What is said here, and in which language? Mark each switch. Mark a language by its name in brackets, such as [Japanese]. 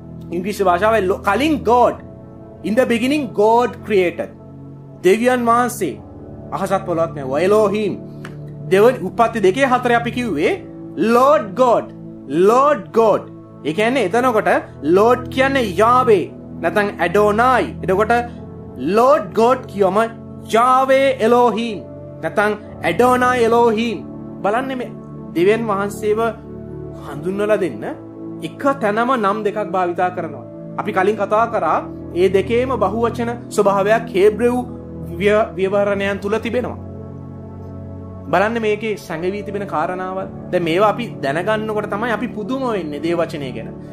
[Sinhala] ඉංග්‍රීසි භාෂාවේ කලින් God. [English] In the beginning God created. [Sinhala] දෙවියන් වහන්සේ අහසත් පොළොවත් මේ Elohim. දෙව උපත් දෙකේ හතරේ අපි කිව්වේ Lord God. Lord God. ඒ කියන්නේ එතනකොට Lord කියන්නේ යාවේ නැත්නම් Adonai. එතකොට Lord God කියවම යාවේ Elohim. නැත්නම් Adonai Elohim. බලන්න මේ දෙවියන් වහන්සේව හඳුන්වලා දෙන්න එක තැනම නම් දෙකක් භාවිතා කරනවා. අපි කලින් කතා කරා ඒ දෙකේම බහුවචන ස්වභාවයක් හෙබ්‍රෙව් ව්‍යවහරණයන් තුල තිබෙනවා. බලන්න මේකේ සැඟවී තිබෙන කාරණාවල්. දැන් මේවා අපි දැනගන්නකොට තමයි අපි පුදුම වෙන්නේ දේව වචනේ ගැන.